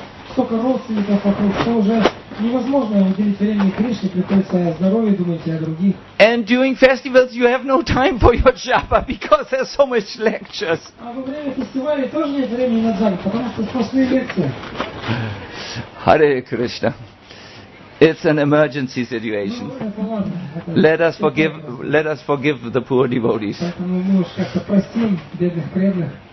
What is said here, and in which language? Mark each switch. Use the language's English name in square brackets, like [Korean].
[Russian] Столько родственников вокруг, что уже невозможно уделить время Кришне, приходится о здоровье думать и о других. [English] And during festivals you have no time for your japa because there's so much lectures. [Russian] А во время фестивалей тоже нет времени на джапу, потому что сплошные лекции. [English] Hare Krishna. It's an emergency situation. Let us forgive the poor devotees. [Russian] Поэтому мы уж как-то простим бедных преданных.